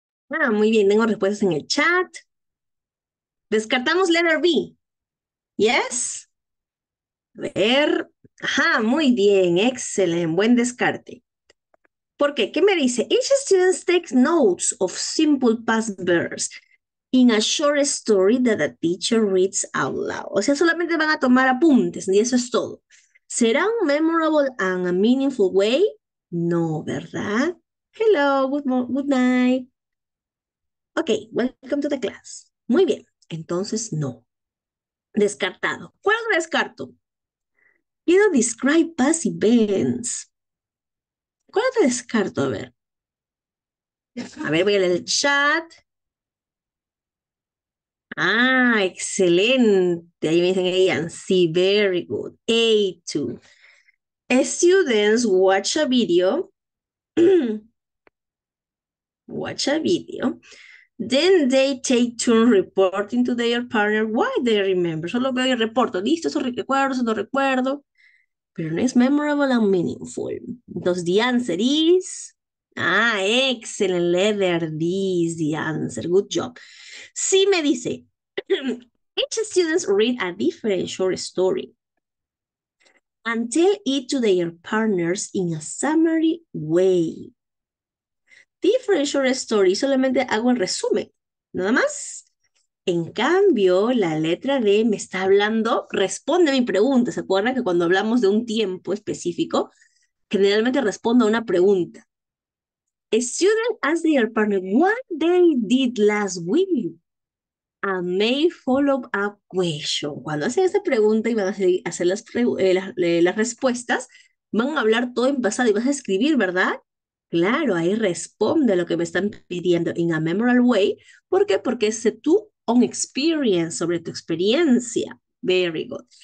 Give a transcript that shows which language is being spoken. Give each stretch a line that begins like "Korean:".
Spanish: Ah, muy bien, tengo respuestas en el chat. Descartamos letter B.
English: Yes.
Spanish: A ver. Ajá, muy bien, excelente, buen descarte. ¿Por qué? ¿Qué me dice?
English: Each student takes notes of simple past verbs in a short story that the teacher reads out loud.
Spanish: O sea, solamente van a tomar apuntes y eso es todo. ¿Será un
English: memorable and a meaningful way?
Spanish: No, ¿verdad?
English: Hello, good night. Ok, welcome to the class.
Spanish: Muy bien, entonces no. Descartado. ¿Cuál otro descarto? Quiero describe past events. ¿Cuál otro descarto? A ver. A ver, voy a leer el chat. Ah, excelente. Ahí me dicen, Ian. Sí,
English: very good.
Spanish: A2.
English: Students watch a video. Watch a video. Then they take turns reporting to their partner why they remember.
Spanish: Solo veo y reporto. Listo, eso recuerdo, eso no recuerdo. Pero no es
English: memorable and meaningful. Entonces, the answer is. Ah, excellent. Letter D is the answer. Good job.
Spanish: Sí, me dice.
English: Each student read a different short story and tell it to their partners in a summary way.
Spanish: Different short story, solamente hago el resumen, nada más. En cambio, la letra D me está hablando, responde a mi pregunta. ¿Se acuerdan que cuando hablamos de un tiempo específico, generalmente respondo a una pregunta?
English: A student asked their partner what they did last week and may follow up question.
Spanish: Cuando hacen esa pregunta y van a hacer las respuestas, van a hablar todo en pasado y vas a escribir, ¿verdad? Claro, ahí responde a lo que me están pidiendo
English: in a memorable way.
Spanish: ¿Por qué? Porque es tu
English: own experience,
Spanish: sobre tu experiencia.
English: Very good.